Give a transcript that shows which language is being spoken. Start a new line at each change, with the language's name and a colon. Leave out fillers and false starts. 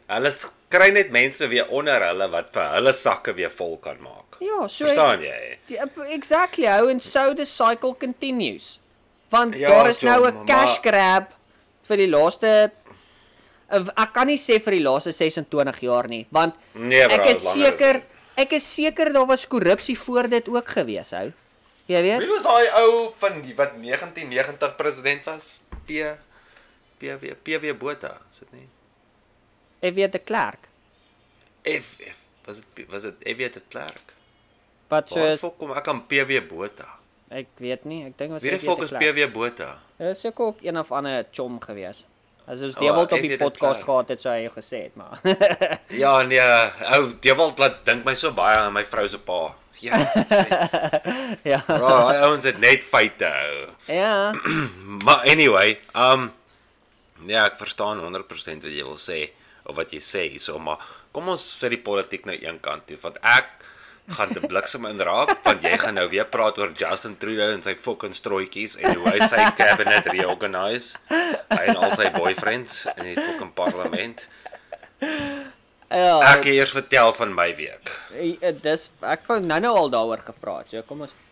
Afrikaans: Hulle kry net mense weer onder hulle wat vir hulle sakke weer vol kan maak. Ja, so verstaan jy?
English: Exactly, how and so the cycle continues.
Afrikaans: Want ja, daar is nou 'n cash grab vir die laaste... Ek kan nie sê vir die laaste 26 jaar nie, want nee, bro, ek is seker daar was korrupsie voor dit ook gewees, hou. Jy weet? Wie was daai ou van die wat 1990 president was? P.W. Botha, is dit nie? Ek weet, de Klerk. Was dit F.W. de Klerk? Wat so waar fok kom ek aan P.W. Bota? Ek weet nie, ek dink was F.W. de Klerk. Wie die fok is P.W. Bota? Dit is ook een of ander chom gewees. As ons Dewald op die podcast gehad het, so hy gesê het, maar... ja, nee, ou, Dewald laat dink my so baie aan my vrou se pa. Ja. Ja. Ja, ons het net feite, ou. Ja. maar anyway, nee, ek verstaan 100% wat jy wil sê, of wat jy sê, so, maar kom ons sit die politiek nou een kant toe, want ek gaan te bliksem inraak, want jy gaan nou weer praat oor Justin Trudeau en sy fucking strooikies, en hoe hy sy cabinet reorganise, hy en al sy boyfriends in die fucking parlement. Ja, ek eers vertel van my week. Dis, ek vang nou al daar gevraag, so kom ons...